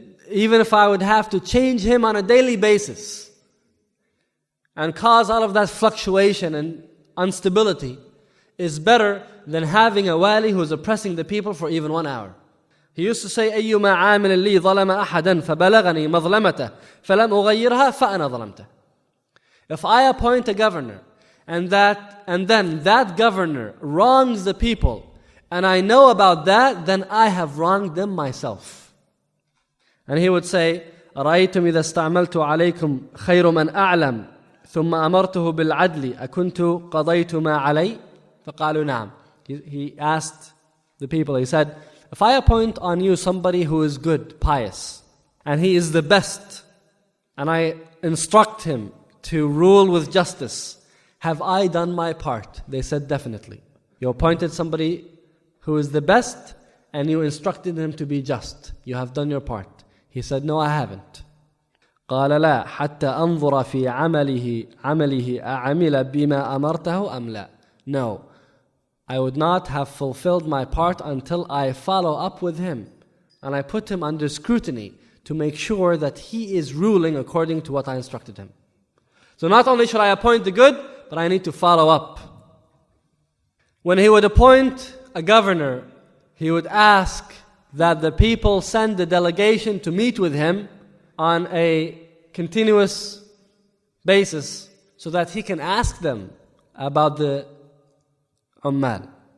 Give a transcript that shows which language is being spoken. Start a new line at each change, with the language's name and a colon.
English: Even if I would have to change him on a daily basis and cause all of that fluctuation and instability, is better than having a wali who is oppressing the people for even 1 hour. He used to say,
Arabic: أَيُّمَا عَامِلٍ لِّي ظَلَمَ أَحَدًا فَبَلَغَنِي مَظْلَمَتَهُ فَلَمْ أُغَيِّرْهَا فَأَنَا ظَلَمْتَهُ.
English: If I appoint a governor and then that governor wrongs the people and I know about that, then I have wronged them myself. And he would say,
Arabic: أَرَأَيْتُمْ إِذَا اسْتَعْمَلْتُ عَلَيْكُمْ خَيْرُ مَنْ أَعْلَمْ ثُمَّ أَمَرْتُهُ بِالْعَدْلِ أَكُنْتُ قَضَيْتُ مَا عَلَيْهِ فَقَالُوا نَعَمْ.
English: He asked the people, he said, if I appoint on you somebody who is good, pious, and he is the best, and I instruct him to rule with justice, have I done my part? They said, definitely. You appointed somebody who is the best, and you instructed him to be just. You have done your part. He said, no, I haven't.
Arabic: قَالَ لَا حَتَّى أَنظُرَ فِي عَمَلِهِ أَعَمِلَ بِمَا أَمَرْتَهُ أَمْ لَا.
English: No, I would not have fulfilled my part until I follow up with him, and I put him under scrutiny to make sure that he is ruling according to what I instructed him. So not only should I appoint the good, but I need to follow up. When he would appoint a governor, he would ask that the people send a delegation to meet with him on a continuous basis so that he can ask them about the ummah.